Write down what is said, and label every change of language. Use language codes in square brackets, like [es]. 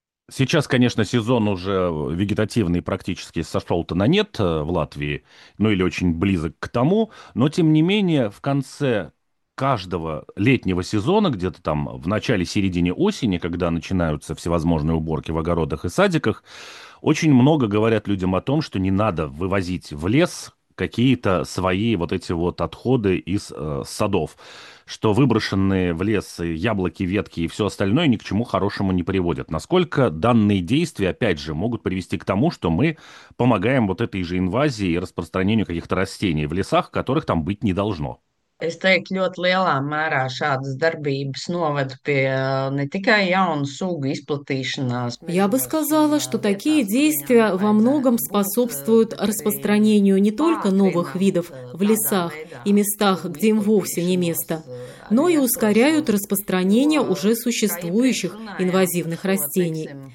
[ru] Сейчас, конечно, сезон уже вегетативный практически сошел-то на нет в Латвии, ну или очень близок к тому, но тем не менее в конце каждого летнего сезона, где-то там в начале-середине осени, когда начинаются всевозможные уборки в огородах и садиках, очень много говорят людям о том, что не надо вывозить в лес какие-то свои вот эти вот отходы из садов, что выброшенные в лес яблоки, ветки и все остальное ни к чему хорошему не приводят. Насколько данные действия, опять же, могут привести к тому, что мы помогаем вот этой же инвазии и распространению каких-то растений в лесах, которых там быть не должно? [lv] Es teiktu, ļoti lielā mērā šādas darbības noved pie ne tikai jaunu sugu izplatīšanās. [ru] Я бы сказала, что такие действия во многом способствуют распространению не только новых видов в лесах и местах, где им вовсе не место, но и ускоряют распространение уже существующих инвазивных растений.